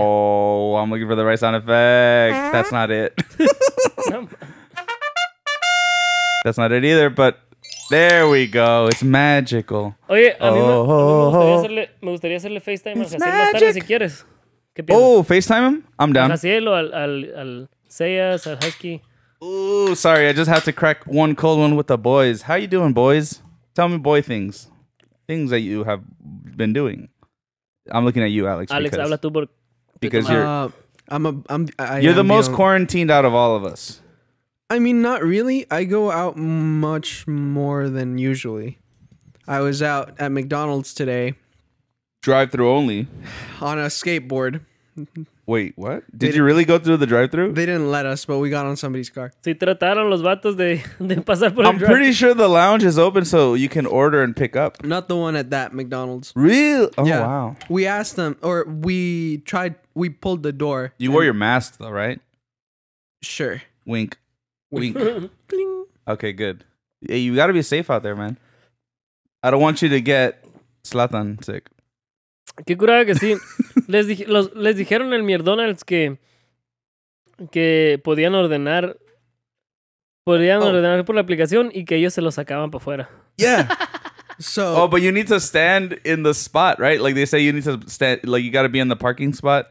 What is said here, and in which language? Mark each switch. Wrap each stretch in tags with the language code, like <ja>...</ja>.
<en>Oh, I'm looking for the right sound effect. That's not it. That's not it either, but there we go. It's magical.</en> <es>Oye, me gustaría hacerle FaceTime a Jaciel más tarde si quieres. ¿Qué piensas?</es> <en>Oh, FaceTime him? I'm down.</en> <es>Jaciel o al Seas, al Husky.</es> <en>Oh, sorry. I just had to crack one cold one with the boys. How you doing, boys? Tell me boy things. Things that you have been doing. I'm looking at you, Alex. Alex, because,</en> <es>habla tú por...</es> <en>Because you're... I'm the most quarantined out of all of us. I mean, not really. I go out much more than usually. I was out at McDonald's today. Drive-thru only? On a skateboard. Wait, what? Did you really go through the drive-thru? They didn't let us, but we got on somebody's car.</en> <es>Si trataron los vatos de pasar por el</es> <en>drive-thru. I'm pretty sure the lounge is open so you can order and pick up. Not the one at that McDonald's. Really? Oh, yeah. Wow. We asked them, or we pulled the door. You wore your mask, though, right? Sure. Wink. Wink. Okay, good. Hey, you gotta be safe out there, man. I don't want you to get Zlatan sick.</en> <es>Qué curada que sí. les dijeron el McDonald's que podían ordenar por la aplicación y que ellos se lo sacaban para afuera.</es> <en>Yeah. So. Oh, but you need to stand in the spot, right? Like they say, you need to stand. Like you gotta be in the parking spot.</en>